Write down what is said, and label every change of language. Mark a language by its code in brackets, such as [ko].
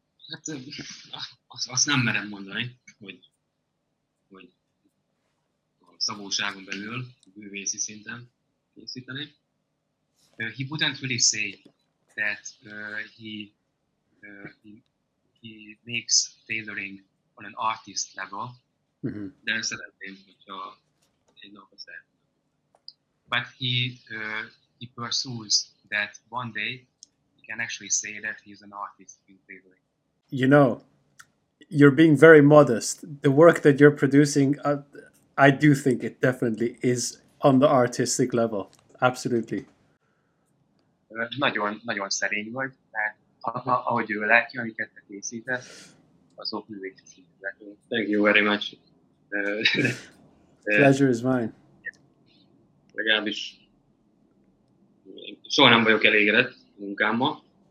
[hu] Hát azt nem merem mondani, hogy a szabóságon belül művészi szinten készíteni. [en] He wouldn't really say that he makes tailoring on an artist level. Mm-hmm. [hu] De szeretném, hogyha egy nap az elmondom. [en] But he pursues that one day he can actually say that he is an artist in tailoring. You know, you're being very modest. The work that you're producing, I do think it definitely is on the artistic level, absolutely. [hu] Nagyon, nagyon szerény vagy, mert ahogy ő látja, amiket te készítesz, azok művészi szintű. [en] Thank you very much. Pleasure is mine. [hu] Legalábbis soha nem vagyok elégedett munkámmal.